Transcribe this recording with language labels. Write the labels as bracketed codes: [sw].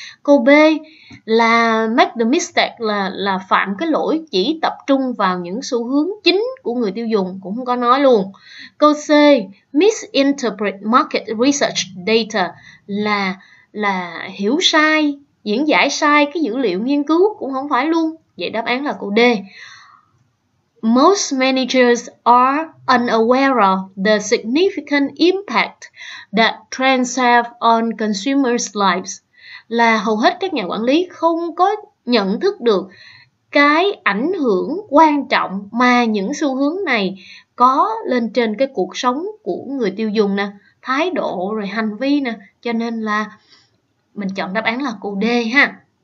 [vi] Câu B là [en] make the mistake, [vi] là phạm cái lỗi chỉ tập trung vào những xu hướng chính của người tiêu dùng, cũng không có nói luôn. Câu C, [en] misinterpret market research data, [vi] là hiểu sai, diễn giải sai cái dữ liệu nghiên cứu, cũng không phải luôn. Vậy đáp án là câu D. [en] Most managers are unaware of the significant impact that trends have on consumers' lives. [vi] Là hầu hết các nhà quản lý không có nhận thức được cái ảnh hưởng quan trọng mà những xu hướng này có lên trên cái cuộc sống của người tiêu dùng nè, thái độ rồi hành vi nè, cho nên là mình chọn đáp án là câu D ha.